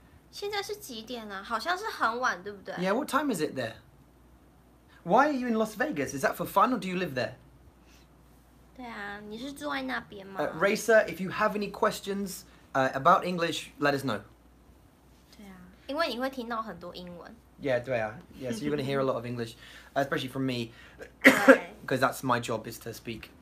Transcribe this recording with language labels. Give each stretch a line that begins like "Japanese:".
Chinese: 现在是几点啊？好像是很晚，对不对？
English: Yeah, what time is it there? Why are you in Las Vegas? Is that for fun or do you live there?
Chinese: 对啊，你是住在那边吗？
English: Racer, if you have any questions about English, let us know.
Chinese: 对啊，因为你会听到很多英文。
English: Yeah, so you're gonna hear a lot of English, especially from me, because that's my job is to speak